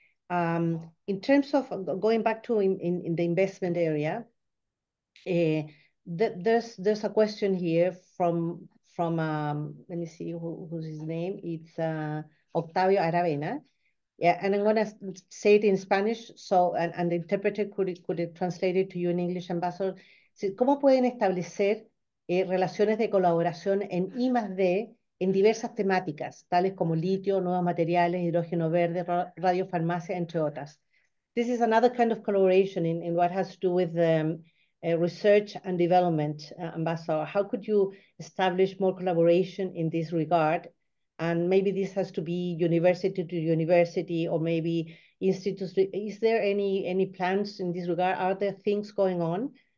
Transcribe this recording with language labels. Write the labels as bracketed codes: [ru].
[en] In terms of going back to in the investment area, there's a question here from let me see who's his name. It's Octavio Aravena. Yeah, and I'm gonna say it in Spanish, so and the interpreter could translate it to you in English, Ambassador. [es] ¿Cómo pueden establecer relaciones de colaboración en I más D en diversas temáticas, tales como litio, nuevos materiales, hidrógeno verde, radiofarmacia, entre otras? [en] This is another kind of collaboration in what has to do with research and development, Ambassador. How could you establish more collaboration in this regard? And maybe this has to be university to university, or maybe institutes. Is there any plans in this regard? Are there things going on?